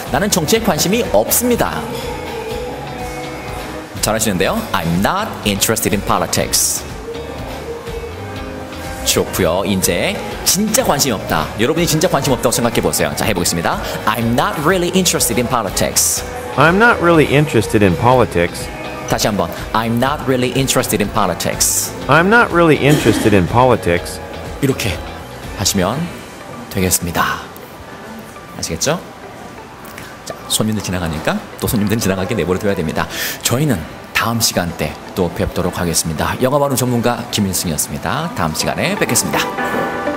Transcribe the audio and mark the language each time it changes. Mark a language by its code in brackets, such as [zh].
[ko] 나는 정치에 관심이 없습니다. 잘하시는데요. [en] I'm not interested in politics. [ko] 좋고요. 이제 진짜 관심 없다. 여러분이 진짜 관심 없다고 생각해 보세요. 자, 해보겠습니다. [en] I'm not really interested in politics. I'm not really interested in politics. [ko] 다시 한번. [en] I'm not really interested in politics. I'm not really interested in politics. [ko] 이렇게 하시면 되겠습니다. 아시겠죠? 자, 손님들 지나가니까 또 손님들 지나가게 내버려둬야 됩니다. 저희는 다음 시간 때 또 뵙도록 하겠습니다. 영어 발음 전문가 김인승이었습니다. 다음 시간에 뵙겠습니다.